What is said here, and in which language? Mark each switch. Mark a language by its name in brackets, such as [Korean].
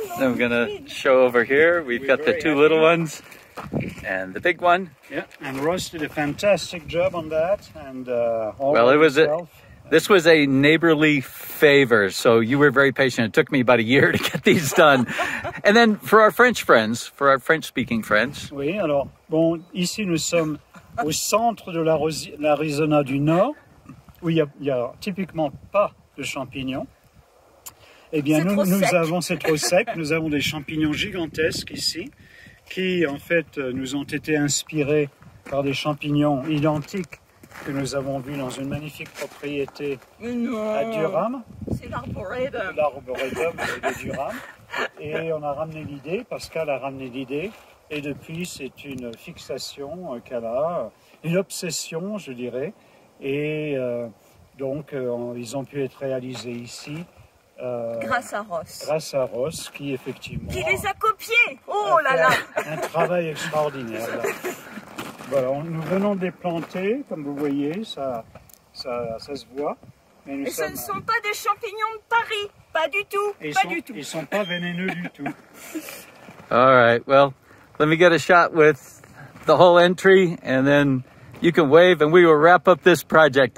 [English] I'm going to show over here. We've got the two little ones. And the big one. Yeah, and Ross did a fantastic job on that. And this was a neighborly favor, so you were very patient. It took me about a year to get these done. And then for our French friends, for our French-speaking friends. [French] Oui, alors, bon, ici nous sommes au centre de l'Arizona du Nord, où il y a typiquement pas de champignons. Eh bien, c'est trop sec. Nous avons des champignons gigantesques ici, qui, en fait, nous ont été inspirés par des champignons identiques que nous avons vus dans une magnifique propriété à Durham. C'est l'arboretum. L'arboretum de Durham. Et on a ramené l'idée, Pascal a ramené l'idée, et depuis, c'est une fixation qu'elle a, une obsession, je dirais. Et ils ont pu être réalisés ici. Grâce à Ross, qui effectivement... Qui les a copiés. Oh là là. Un travail extraordinaire. Là. Voilà, nous venons de les planter, comme vous voyez, ça se voit. Mais ce ne sont pas des champignons de Paris, pas du tout, Ils ne sont pas vénéneux du tout. [English] All right, well, let me get a shot with the whole entry, and then you can wave, and we will wrap up this project.